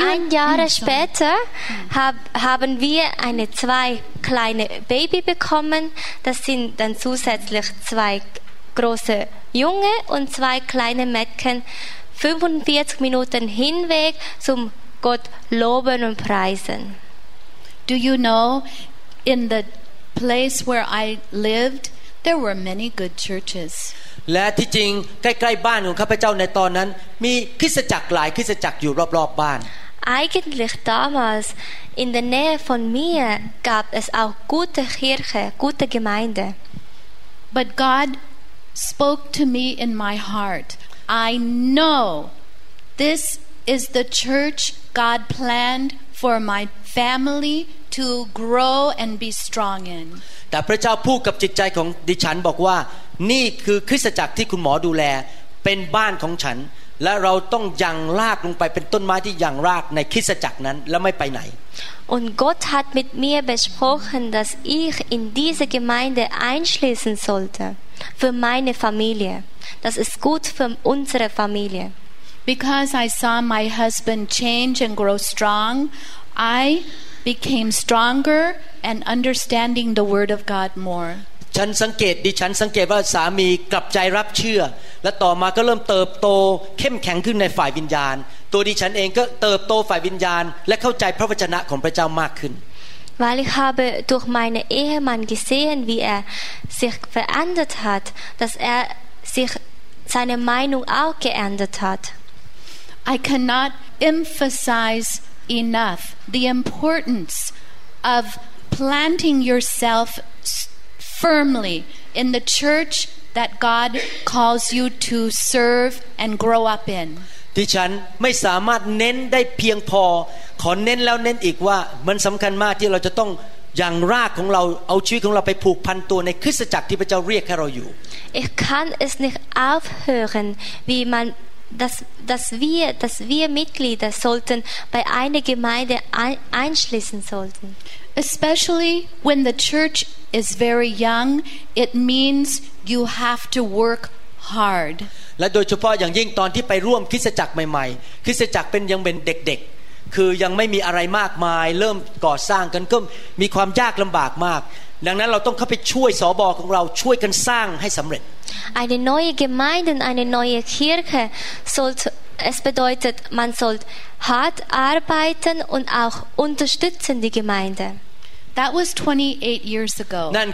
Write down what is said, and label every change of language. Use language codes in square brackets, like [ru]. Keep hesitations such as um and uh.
[de] Jahr später haben wir eine zwei kleine Baby bekommen. Das sind dann zusätzlich zwei große Junge und zwei kleine Mädchen. 45 Minuten Hinweg zum Gott loben und preisen. [en] Do you know, in the place where I lived, there were many good churches. [th] และที่จริงใกล้ๆบ้านของข้าพเจ้าในตอนนั้นมีคริสตจักรหลายคริสตจักรอยู่รอบๆบ้าน [de] Eigentlich damals in der Nähe von mir gab es auch gute Kirche, gute Gemeinde. [en] But God spoke to me in my heart. I know this is the church God planned for my family to grow and be strong in [th] แต่พระเจ้าพูดกับจิตใจของดิฉันบอกว่านี่คือคริสตจักรที่คุณหมอดูแลเป็นบ้านของฉัน และเราต้องยังรากลงไปเป็นต้นไม้ที่ยังรากในคริสตจักรนั้นและไม่ไปไหน [de] Und Gott hat mit mir besprochen, dass ich in diese Gemeinde einschließen sollte für meine Familie. Das ist gut für unsere Familie. [en] Because I saw my husband change and grow strong, I became stronger and understanding the word of God more. [th] ฉันสังเกตดิฉันสังเกตว่าสามีกลับใจรับเชื่อ และต่อมาก็เริ่มเติบโตเข้มแข็งขึ้นในฝ่ายวิญญาณ ตัวดิฉันเองก็เติบโตฝ่ายวิญญาณ และเข้าใจพระวจนะของพระเจ้ามากขึ้น [de] Weil ich habe durch meinen Ehemann gesehen, wie er sich verändert hat, dass er sich seine Meinung auch geändert hat. [en] I cannot emphasize enough the importance of planting yourself firmly in the church that God calls you to serve and grow up in. [th] ดิฉันไม่สามารถเน้นได้เพียงพอขอเน้นแล้วเน้นอีกว่ามันสําคัญมากที่เราจะต้องอย่างรากของเราเอาชีวิตของเราไปผูกพันตัวในคริสตจักรที่พระเจ้าเรียกให้เราอยู่ [de] Ich kann es nicht aufhören wie man dass, dass, wir, dass wir Mitglieder sollten bei einer Gemeinde einschließen sollten. [en] Especially when the church is very young, it means you have to work hard. [th] และโดยเฉพาะอย่างยิ่งตอนที่ไปร่วมคริสจักรใหม่ๆ คริสจักรเป็นยังเป็นเด็ก ๆ คือยังไม่มีอะไรมากมาย เริ่มก่อสร้างกันก็มีความยากลำบากมากดังนั้นเราต้องเข้าไปช่วยสอบอของเราช่วยกันสร้างให้สำเร็จ [de] eine neue Gemeinde und eine neue Kirche sollte es bedeutet man soll hart arbeiten und auch unterstützen die Gemeinde [en] that was 28 years ago [th] นั่น